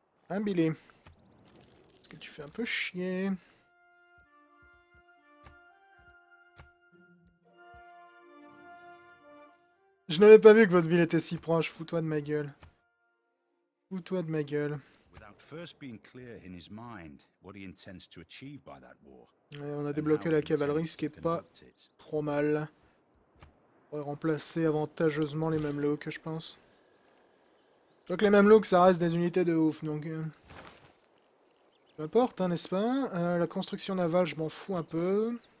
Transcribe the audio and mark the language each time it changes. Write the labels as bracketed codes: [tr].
[fr] Hein, Billy? Est-ce que tu fais un peu chier? Je n'avais pas vu que votre ville était si proche, fous-toi de ma gueule. Fous-toi de ma gueule. [en] Without first being clear in his mind what he intends to achieve by that war. [fr] Et on a débloqué la cavalerie, ce qui est pas trop mal. On va remplacer avantageusement les Mamelouks, je pense. Donc les Mamelouks, ça reste des unités de ouf, donc... Peu importe, hein, n'est-ce pas? La construction navale, je m'en fous un peu.